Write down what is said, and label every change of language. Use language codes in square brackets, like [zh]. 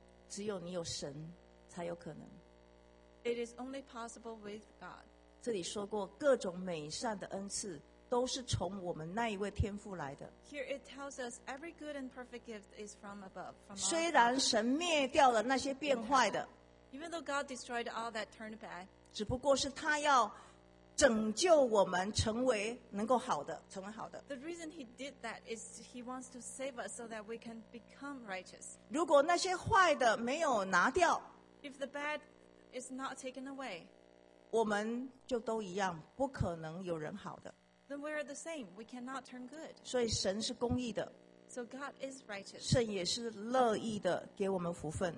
[zh] 只有你有神，才有可能。 [en] It is only possible with God. [zh] 这里说过，各种美善的恩赐都是从我们那一位天父来的。 [en] Here it tells us every good and perfect gift is from above. [zh] 虽然神灭掉了那些变坏的。 [en] Even though God destroyed all that turned bad, [zh] 只不过是他要拯救我们成为能够好的，成为好的。 [en] The reason he did that is he wants to save us so that we can become righteous. [zh] 如果那些坏的没有拿掉， [en] if the bad is not taken away, [zh] 我们就都一样，不可能有人好的。 [en] Then we are the same. We cannot turn good. [zh] 所以神是公义的。 [en] So God is righteous. [zh] 神也是乐意的给我们福分。